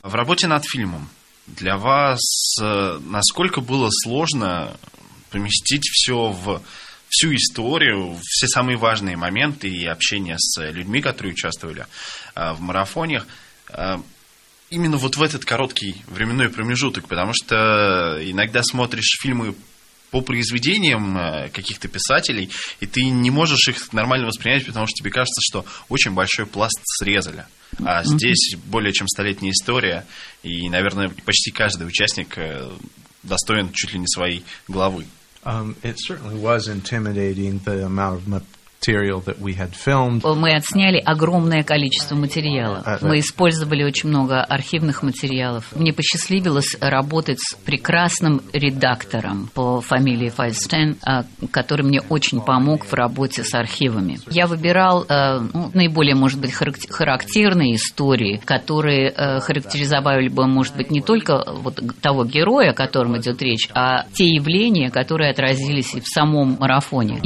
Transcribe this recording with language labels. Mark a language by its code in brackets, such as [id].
[ru] В работе над фильмом для вас насколько было сложно поместить все в всю историю, все самые важные моменты и общение с людьми, которые участвовали в марафоне, именно вот в этот короткий временной промежуток, потому что иногда смотришь фильмы по произведениям каких-то писателей, и ты не можешь их нормально воспринять, потому что тебе кажется, что очень большой пласт срезали. А здесь более чем столетняя история, и, наверное, почти каждый участник достоин чуть ли не своей главы. [en] It certainly was intimidating, the amount of material that we had filmed. [ru] Мы отсняли огромное количество материала. Мы использовали очень много архивных материалов. Мне посчастливилось работать с прекрасным редактором по фамилии Файстен, который мне очень помог в работе с архивами. Я выбирал наиболее, может быть, характерные истории, которые характеризовали бы, может быть, не только вот того героя, о котором идет речь, а те явления, которые отразились и в самом марафоне.